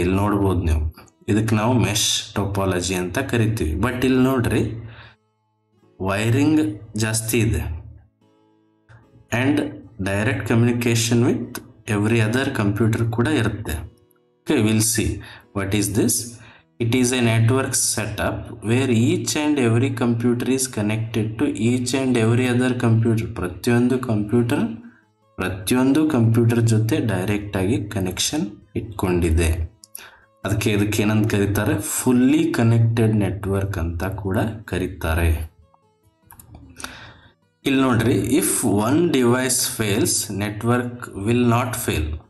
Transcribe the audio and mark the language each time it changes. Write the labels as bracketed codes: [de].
[kn] ಇಲ್ಲಿ ನೋಡ್ಬೋದು ನೀವು, ಇದಕ್ಕೆ ನಾವು ಮೆಶ್ ಟೊಪಾಲಜಿ ಅಂತ ಕರಿತೀವಿ. [en] but [kn] ಇಲ್ಲಿ ನೋಡ್ರಿ, ವೈರಿಂಗ್ ಜಾಸ್ತಿ ಇದೆ [en] and direct communication with every other computer [kn] ಕೂಡ ಇರುತ್ತೆ. [en] Okay, will see what is this. It is a network setup where each and every computer is connected to each and every other computer. [kn] ಪ್ರತಿಯೊಂದು computer ಜೊತೆ direct ಆಗಿ connection ಇಟ್ಕೊಂಡಿದೆ. ಅದಕ್ಕೆ ಇದಕ್ಕೇನಂತ ಕರೀತಾರೆ, [en] fully connected network [kn] ಅಂತ ಕೂಡ ಕರೀತಾರೆ. ಇಲ್ಲಿ ನೋಡ್ರಿ, [en] If one device fails network will not fail.